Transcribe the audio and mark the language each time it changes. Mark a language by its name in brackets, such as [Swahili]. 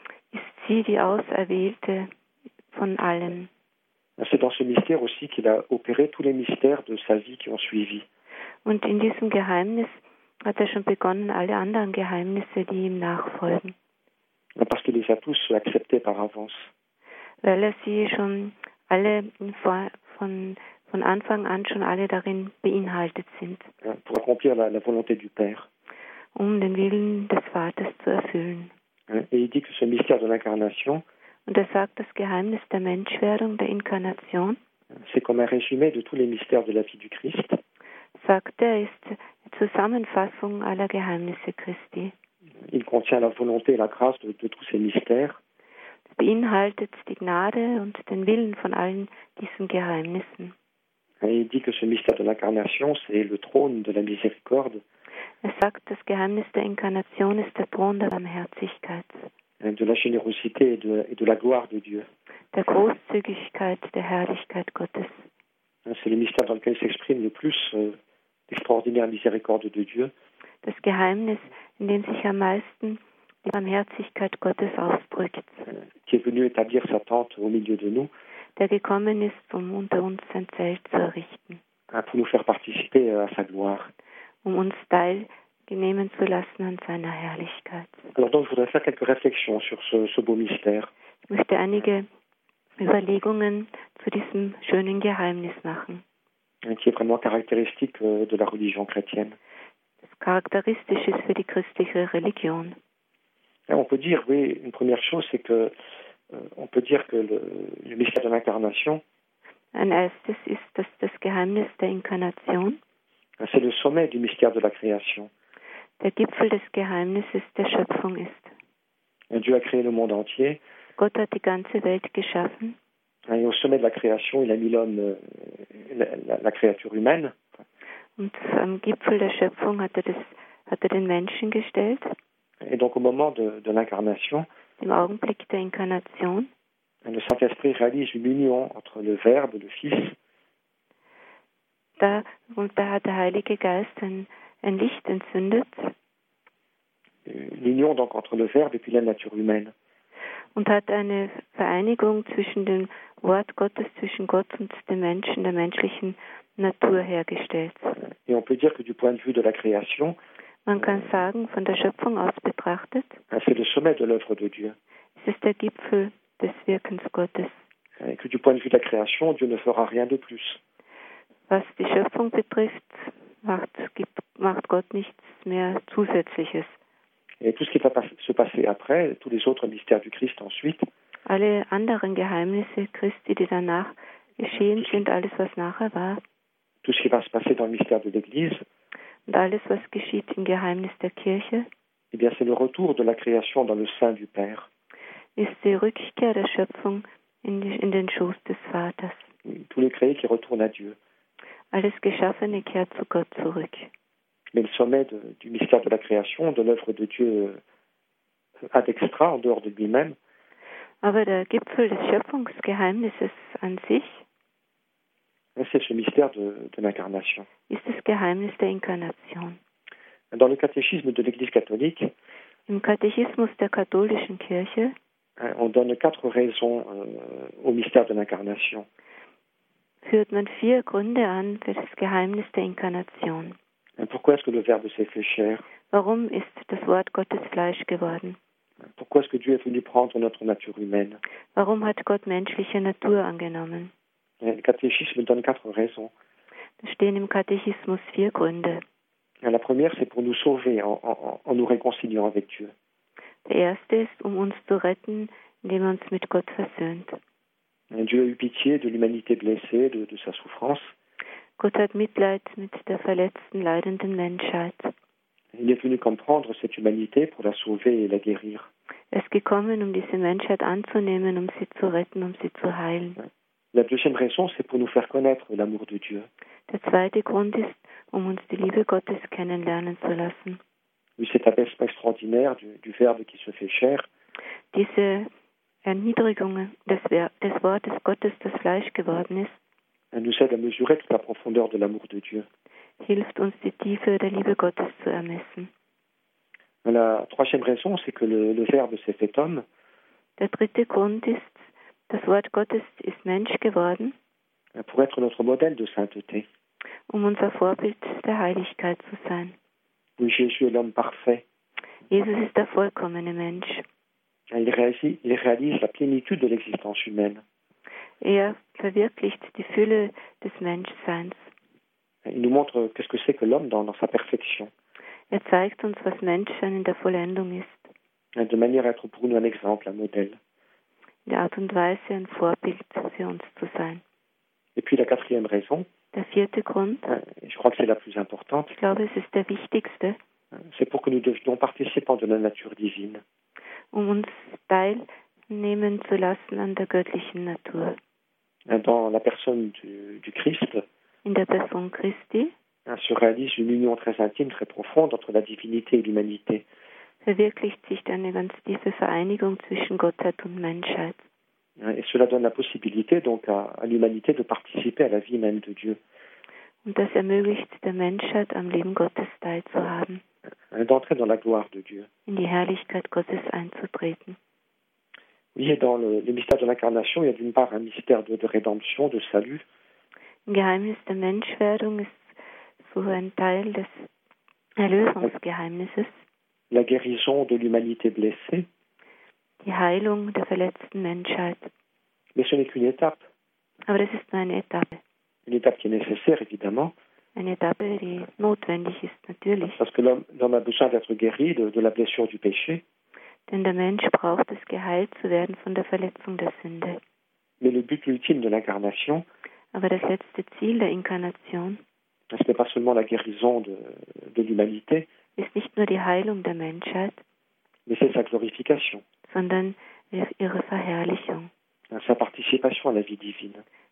[German] Ist sie die Auserwählte von allen. [French] C'est dans ce mystère aussi qu'il a opéré tous les mystères de sa vie qui ont suivi. [German] Und in diesem Geheimnis hat schon begonnen, alle anderen Geheimnisse, die ihm nachfolgen. [French] Parce qu'il les a tous acceptés par avance. [German] Weil sie schon alle von Anfang an schon alle darin beinhaltet sind. [French] Pour accomplir la volonté du Père. [German] Um den Willen des Vaters zu erfüllen. [French] Et il dit que ce mystère de l'incarnation. [German] Und er sagt, das Geheimnis der Menschwerdung, der Inkarnation, [French] c'est comme un résumé de tous les mystères de la vie du Christ. [German] Sagt er, ist die Zusammenfassung aller Geheimnisse Christi. [French] Il contient la volonté et la grâce de tous ces mystères. [German] Beinhaltet die Gnade und den Willen von allen diesen Geheimnissen. [French] Et il dit que ce mystère de l'incarnation, c'est le trône de la miséricorde. [German] Er sagt, das Geheimnis der Inkarnation ist der Thron der Barmherzigkeit. [French] De la générosité et de la gloire de Dieu. [German] Der Großzügigkeit, der Herrlichkeit Gottes. [French] C'est le mystère dans lequel s'exprime le plus l'extraordinaire miséricorde de Dieu. [German] Das Geheimnis, in dem sich am meisten die Barmherzigkeit Gottes ausdrückt. [French] Qui est venu établir sa tente au milieu de nous. [German] Der gekommen ist, um unter uns sein Zelt zu errichten. [French] Pour nous faire participer à sa gloire. [German] Um uns teilnehmen zu lassen an seiner Herrlichkeit. [French] Alors donc, je voudrais faire quelques réflexions sur ce beau mystère. [German] Ich möchte einige Überlegungen zu diesem schönen Geheimnis machen. [French] Qui est vraiment caractéristique de la religion chrétienne. [German] Das charakteristisch ist für die christliche Religion. [French] Et on peut dire, oui, une première chose, c'est que on peut dire que le mystère de l'incarnation. [German] Ein erstes ist, dass das Geheimnis der Inkarnation. [French] C'est le sommet du mystère de la création. [German] Der Gipfel des Geheimnisses der Schöpfung ist. [French] Dieu a créé le monde entier. [German] Gott hat die ganze Welt geschaffen. [French] Et au sommet de la création, il a mis l'homme, la créature humaine. [German] Und am Gipfel der Schöpfung hat er den Menschen gestellt. [French] Et donc au moment de l'incarnation, [German] im Augenblick der Inkarnation, [French] le Saint-Esprit réalise une union entre le Verbe, le Fils. [German] Da hat der Heilige Geist ein Licht entzündet. [French] L'union donc entre le Verbe et puis la nature humaine. [German] Und hat eine Vereinigung zwischen dem Wort Gottes, zwischen Gott und dem Menschen, der menschlichen Natur hergestellt. [French] Et on peut dire que du point de vue de la création, [German] man kann sagen, von der Schöpfung aus betrachtet, [French] c'est le sommet de l'œuvre de Dieu. [German] Es ist der Gipfel des Wirkens Gottes. [French] Et que du point de vue de la création, Dieu ne fera rien de plus. [German] Was die Schöpfung betrifft, macht Gott nichts mehr Zusätzliches. [French] Et tout ce qui va se passer après, tous les autres mystères du Christ ensuite. [German] Alle anderen Geheimnisse Christi, die danach geschehen sind, alles was nachher war. [French] Tout ce qui va se passer dans le mystère de l'Église. [German] Und alles was geschieht im Geheimnis der Kirche. [French] Eh bien, c'est le retour de la création dans le sein du Père. [German] Ist die Rückkehr der Schöpfung in den Schoß des Vaters. [French] Tout le créé qui retourne à Dieu. [German] Alles Geschaffene kehrt zu Gott zurück. [French] Mais le sommet du mystère de la création, de l'œuvre de Dieu ad extra, en dehors de lui-même. [German] Aber der Gipfel des Schöpfungsgeheimnisses an sich. [French] C'est ce mystère de l'incarnation. [German] Ist das Geheimnis der Inkarnation. [French] dans le catéchisme de l'Église catholique, [German] im Katechismus der katholischen Kirche, [French] on donne quatre raisons au mystère de l'incarnation. [German] Führt man vier Gründe an für das Geheimnis der Inkarnation. [French] Et pourquoi est-ce que le Verbe s'est fait chair? [German] Warum ist das Wort Gottes Fleisch geworden? [French] Pourquoi est-ce que Dieu est venu prendre notre nature humaine? [German] Warum hat Gott menschliche Natur angenommen? [French] Et le catéchisme donne quatre raisons. [German] Da stehen im Katechismus vier Gründe. [French] La première, c'est pour nous sauver en nous réconciliant avec Dieu. [German] Der erste ist, uns zu retten, indem uns mit Gott versöhnt. [French] Dieu a eu pitié de l'humanité blessée, de sa souffrance. [German] Gott hat Mitleid mit der verletzten, leidenden Menschheit. [French] Il est venu comprendre cette humanité pour la sauver et la guérir. [German] Er ist gekommen, diese Menschheit anzunehmen, sie zu retten, sie zu heilen. [French] La deuxième raison, c'est pour nous faire connaître l'amour de Dieu. [German] Der zweite Grund ist, uns die Liebe Gottes kennenlernen zu lassen. [French] Cet abaissement extraordinaire du Verbe qui se fait chair. [German] Diese Erniedrigung des Wortes Gottes, das Fleisch geworden ist. [French] Elle nous aide à mesurer toute la profondeur de l'amour de Dieu. [German] Hilft uns, die Tiefe der Liebe Gottes zu ermessen. [French] La troisième raison, c'est que le Verbe s'est fait homme. [German] Der dritte Grund ist, das Wort Gottes ist Mensch geworden. [French] Pour être notre modèle de sainteté. [German] Unser Vorbild der Heiligkeit zu sein. [French] Oui, Jésus est l'homme parfait. [German] Jesus ist der vollkommene Mensch. [French] Il réalise la plénitude de l'existence humaine. [German] Er verwirklicht die Fülle des Menschseins. [French] Il nous montre qu'est-ce que c'est que l'homme dans sa perfection. [German] Er zeigt uns, was Menschsein in der Vollendung ist. [French] De manière à être pour nous un exemple, un modèle. [German] In der Art und Weise, ein Vorbild für uns zu sein. [French] Et puis la quatrième raison. [German] Der vierte Grund. [French] Je crois que c'est la plus importante. [German] Ich glaube, es ist der wichtigste. [French] C'est pour que nous devenions participants de la nature divine. [German] Uns teilnehmen zu lassen an der göttlichen Natur. [French] Dans la personne du Christ. [German] In der Person Christi. [French] Se réalise une union très intime, très profonde entre la divinité et l'humanité. [German] Verwirklicht sich eine ganz tiefe Vereinigung zwischen Gottheit und Menschheit. [French] Et cela donne la possibilité donc à l'humanité de participer à la vie même de Dieu. [German] Und das ermöglicht der Menschheit, am Leben Gottes teilzuhaben. [French] D'entrer dans la gloire de Dieu. [German] In die Herrlichkeit Gottes einzutreten. [French] Oui, et dans le mystère de l'incarnation, il y a d'une part un mystère de rédemption, de salut. [German] Im Geheimnis der Menschwerdung ist so ein Teil des Erlösungsgeheimnisses. [French] La guérison de l'humanité blessée. [German] Die Heilung der verletzten Menschheit. [French] Mais ce n'est qu'une étape. [German] Aber das ist nur eine Etappe. [French] Une étape qui est nécessaire, évidemment. [German] Eine Etappe, die notwendig ist, natürlich. [French] Parce que l'homme a besoin d'être guéri de la blessure du péché. [German] Denn der Mensch braucht es, geheilt zu werden von der Verletzung der Sünde. [French] Mais le but ultime de l'incarnation. [German] Aber das letzte Ziel der Inkarnation. [French] Ce n'est pas seulement la guérison de l'humanité. [German] Ist nicht nur die Heilung der Menschheit. [French] Mais c'est sa glorification. [German] Sondern ihre Verherrlichung. [French] Sa participation à la vie divine.